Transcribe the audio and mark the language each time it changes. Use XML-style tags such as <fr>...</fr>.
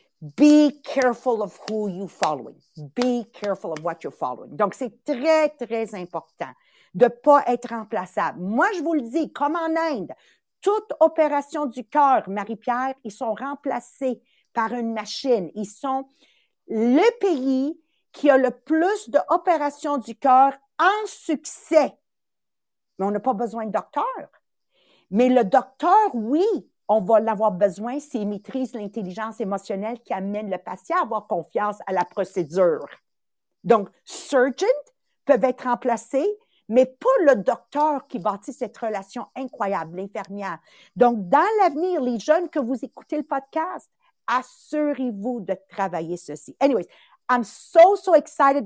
<en>Be careful of who you're following. Be careful of what you're following.</en> <fr>Donc, c'est très, très important de pas être remplaçable. Moi, je vous le dis, comme en Inde, toute opération du cœur, Marie-Pierre, ils sont remplacés par une machine. Ils sont le pays qui a le plus d'opérations du cœur en succès. Mais on n'a pas besoin de docteur. Mais le docteur, oui, on va l'avoir besoin s'il maîtrise l'intelligence émotionnelle qui amène le patient à avoir confiance à la procédure. Donc, surgeons peuvent être remplacés, mais pas le docteur qui bâtit cette relation incroyable, l'infirmière. Donc, dans l'avenir, les jeunes que vous écoutez le podcast, assurez-vous de travailler ceci.</fr> <en>Anyways, I'm so, so excited.</en>